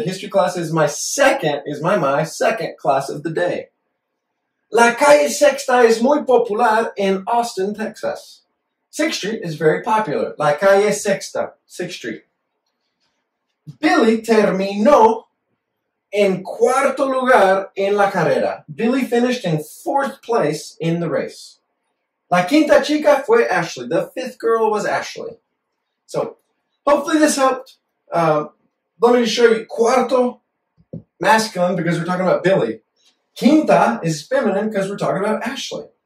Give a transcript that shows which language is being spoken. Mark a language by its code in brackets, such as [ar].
[en] The history class is my second, is my second class of the day. [es] La calle Sexta es muy popular in Austin, Texas. [en] Sixth Street is very popular. [es] La calle Sexta, [en] Sixth Street. [es] Billy terminó en cuarto lugar en la carrera. [en] Billy finished in fourth place in the race. [es] La quinta chica fue Ashley. [en] The fifth girl was Ashley. So, hopefully this helped. Let me show you cuarto, masculine, because we're talking about Billy. Quinta is feminine because we're talking about Ashley.